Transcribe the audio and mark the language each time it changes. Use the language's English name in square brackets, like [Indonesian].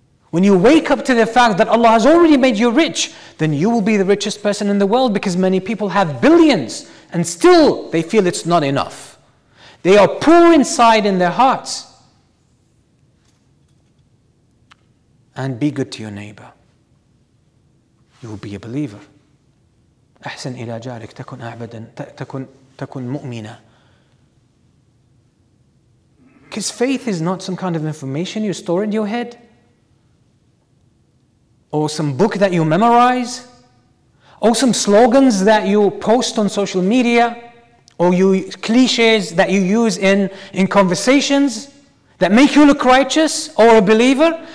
[English] When you wake up to the fact that Allah has already made you rich, then you will be the richest person in the world, because many people have billions and still they feel it's not enough. They are poor inside in their hearts. And be good to your neighbor. You will be a believer. [Arabic] أحسن إلى جارك تكون أعبدا تكون مؤمنا. [English] Because faith is not some kind of information you store in your head, or some book that you memorize, or some slogans that you post on social media, or you cliches that you use in conversations that make you look righteous or a believer.